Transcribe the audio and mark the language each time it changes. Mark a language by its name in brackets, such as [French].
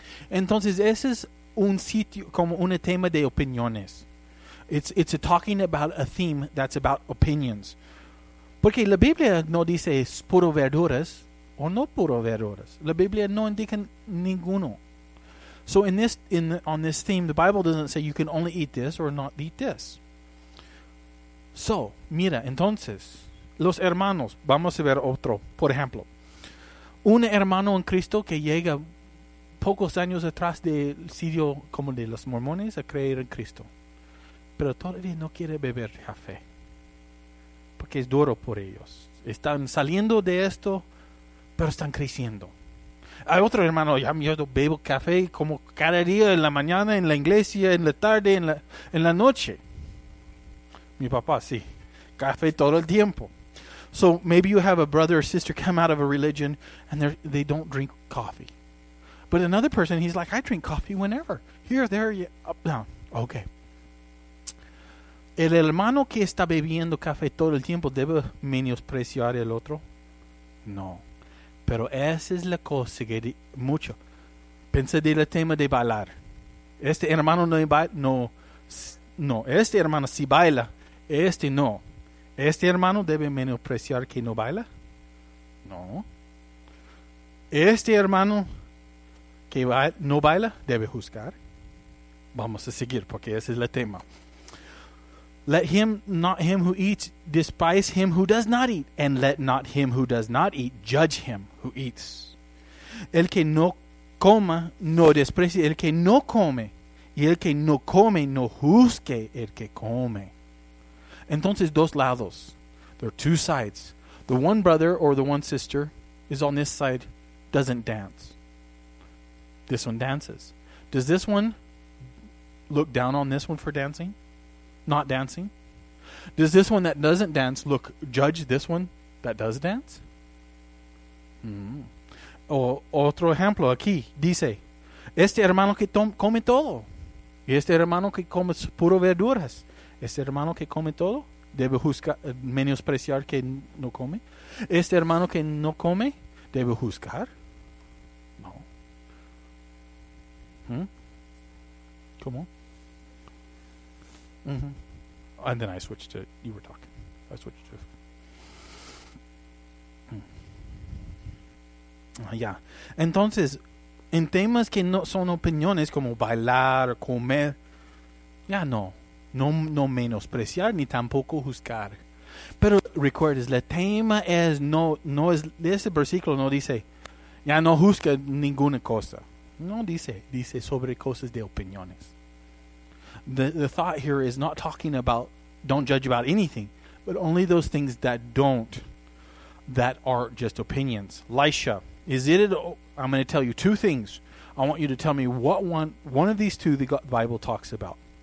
[Spanish] Entonces, ese es un sitio como un tema de opiniones. [English] It's a talking about a theme that's about opinions. [Spanish] Porque la Biblia no dice puro verduras o no puro verduras. La Biblia no indica ninguno. [English] So on this theme, the Bible doesn't say you can only eat this or not eat this. [Spanish] So, mira, entonces, los hermanos, vamos a ver otro. Por ejemplo, un hermano en Cristo que llega pocos años atrás del sitio como de los mormones a creer en Cristo. Pero todavía no quiere beber café. Porque es duro por ellos. Están saliendo de esto, pero están creciendo. Hay otro hermano, ya yo bebo café como cada día en la mañana, en la iglesia, en la tarde, en la noche. Mi papá, sí. Café todo el tiempo. [English] So maybe you have a brother or sister come out of a religion and they don't drink coffee. But another person, he's like, I drink coffee whenever. Here, there, yeah, up, down. Okay. [Spanish] El hermano que está bebiendo café todo el tiempo debe menospreciar el otro. No. Pero esa es la cosa que mucho. Pensé del tema de bailar. Este hermano no baila. No. No. Este hermano sí baila. Este no. Este hermano debe menospreciar que no baila. No. Este hermano que no baila debe juzgar. Vamos a seguir porque ese es el tema. [English] Let him not him who eats despise him who does not eat, and let not him who does not eat judge him who eats. [Spanish] El que no coma no desprecie el que no come, y el que no come no juzgue el que come. Entonces, dos lados. [English] There are two sides. The one brother or the one sister is on this side, doesn't dance. This one dances. Does this one look down on this one for dancing? Not dancing? Does this one that doesn't dance look judge this one that does dance? [Spanish] O otro ejemplo aquí dice, este hermano que come todo, y este hermano que come puro verduras, este hermano que come todo debe juzgar, menospreciar que no come. Este hermano que no come debe juzgar. No. ¿Cómo? [English] And then I switched to, you were talking. I switched to. Yeah. [Spanish] Entonces, en temas que no son opiniones como bailar, comer, ya no. No menospreciar ni tampoco juzgar. Pero recuerdes, el tema es no es, ese versículo no dice, ya no juzga ninguna cosa. No dice, dice sobre cosas de opiniones. [English] The thought here is not talking about don't judge about anything, but only those things that are just opinions. Lisha, I'm going to tell you two things. I want you to tell me what one of these two the Bible talks about.